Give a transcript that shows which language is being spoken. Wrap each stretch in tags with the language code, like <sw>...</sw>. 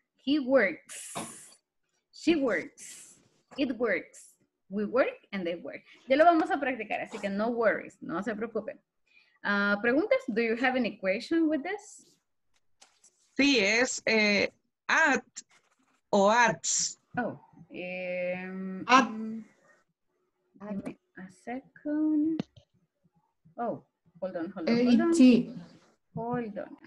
<en>He works, she works, it works, we work, and they work.</en> <es>Ya lo vamos a practicar, así que</es> <en>no worries,</en> <es>no se preocupen.</es> <en>Preguntas, do you have an equation with this?</en> <es>Sí, es at o ats. Oh.</es> <en>At. Give me a second. Oh, hold on.</en>